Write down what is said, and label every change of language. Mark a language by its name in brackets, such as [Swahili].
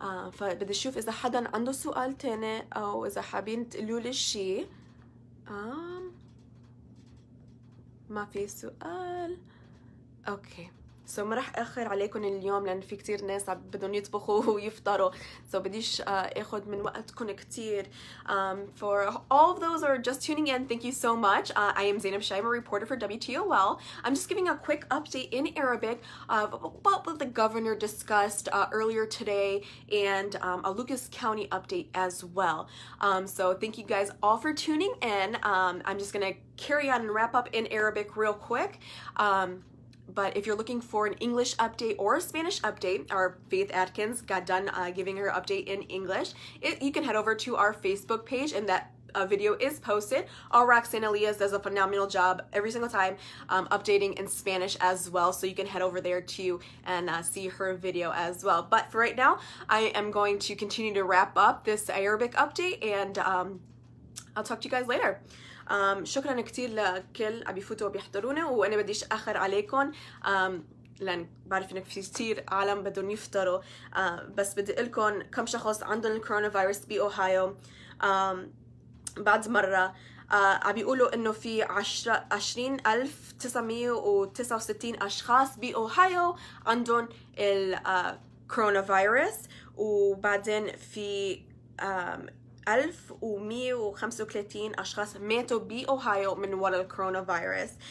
[Arabic] فبدي اشوف اذا حدا عنده سؤال تاني او اذا حابين تقولوا لي شيء. ما في سؤال. اوكي سو ما رح اخر عليكم اليوم لان في كتير ناس بدهم يطبخوا ويفطروا، سو بديش اخذ من وقتكم كتير. [English] For all of those who are just tuning in, thank you so much. I am Zainab Shaib, a reporter for WTOL. I'm just giving a quick update in Arabic of what the governor discussed earlier today and a Lucas County update as well. So thank you guys all for tuning in. I'm just gonna carry on and wrap up in Arabic real quick. But if you're looking for an English update or a Spanish update, our Faith Atkins got done giving her update in English. You can head over to our Facebook page and that video is posted. Our Roxanne Elias does a phenomenal job every single time updating in Spanish as well. So you can head over there too and see her video as well. But for right now, I am going to continue to wrap up this Arabic update and I'll talk to you guys later. [Arabic] شكرا كتير لكل عم يفوتوا وبيحضرونا، وانا بديش اخر عليكم لان بعرف انك في كتير عالم بدهم يفطروا. بس بدي اقولكم كم شخص عندهم الكورونا فيروس باوهايو. بعد مره عم بيقولوا انه في 20,969 اشخاص باوهايو عندهم الكورونا فيروس، وبعدين في 1,135 أشخاص ماتوا بأوهايو من وراء الكورونا فيروس.